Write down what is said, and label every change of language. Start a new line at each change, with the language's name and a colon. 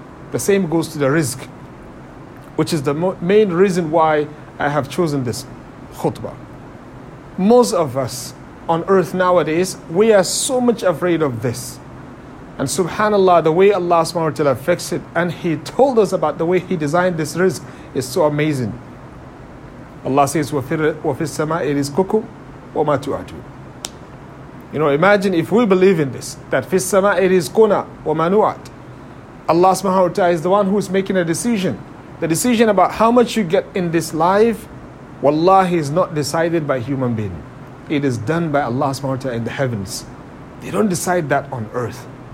English: The same goes to the rizq, which is the main reason why I have chosen this khutbah. Most of us on earth nowadays, we are so much afraid of this. And subhanAllah, the way Allah subhanahu wa ta'ala fixed it, and He told us about the way He designed this rizq, is so amazing. Allah says,
Arabic: وَفِي السَّمَاءِ رِزْقُكُمْ وَمَا تُوَعَدُونَ.
English: You know, imagine if we believe in this, that
Arabic: فِي السَّمَاءِ رِزْقُنَا وَمَا نُوَعَدُونَ.
English: Allah subhanahu wa ta'ala is the one who is making a decision. The decision about how much you get in this life, wallahi, is not decided by human being. It is done by Allah subhanahu wa ta'ala in the heavens. They don't decide that on earth.